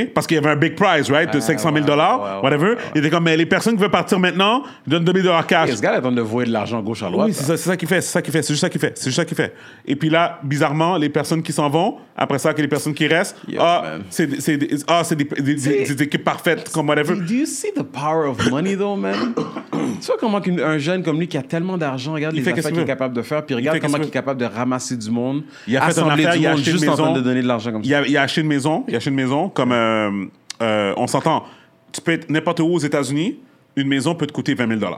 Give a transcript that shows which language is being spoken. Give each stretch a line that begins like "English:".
French: Parce qu'il y avait un big prize, right? De 500 000 $, whatever. Il était comme, mais les personnes qui veulent partir maintenant, je donne 2 000 $ cash. Et ce gars-là est en train de vouer de l'argent gauche à droite. Oui, c'est ça qu'il fait. Et puis là, bizarrement, les personnes qui s'en vont, après ça, que les personnes qui restent, c'est des équipes parfaites, comme whatever.
English: Do you see the power of money, though, man?
French: Tu vois comment un jeune comme lui qui a tellement d'argent, regarde les affaires qu'il est capable de faire, puis regarde comment il est capable de ramasser du monde, assembler du monde juste en train de donner de l'argent comme ça. Il a acheté une maison, comme on s'entend, tu peux être n'importe où aux États-Unis, une maison peut te coûter 20 000 $.